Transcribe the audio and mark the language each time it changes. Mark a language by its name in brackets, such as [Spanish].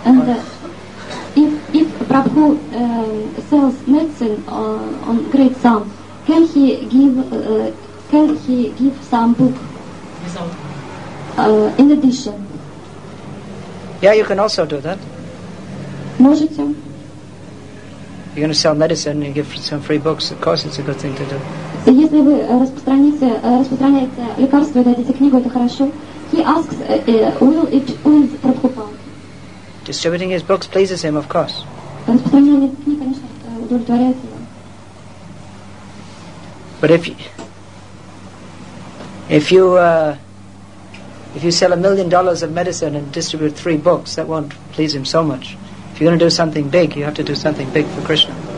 [English] If Prabhu sells medicine on great sum, can he give some book in addition? Yeah, you can also do that. [Russian] Можете? [English] you're going to sell medicine and give some free books, of course it's a good thing to do. [Russian] Если вы распространяете лекарства и дадите книгу, это хорошо. [English] He asks, will it please Prabhupada? Distributing his books pleases him, of course. [Russian] Распространение книг, конечно, удовлетворяет его. [English] But if you sell $1 million of medicine and distribute 3 books, that won't please him so much. If you're going to do something big, you have to do something big for Krishna.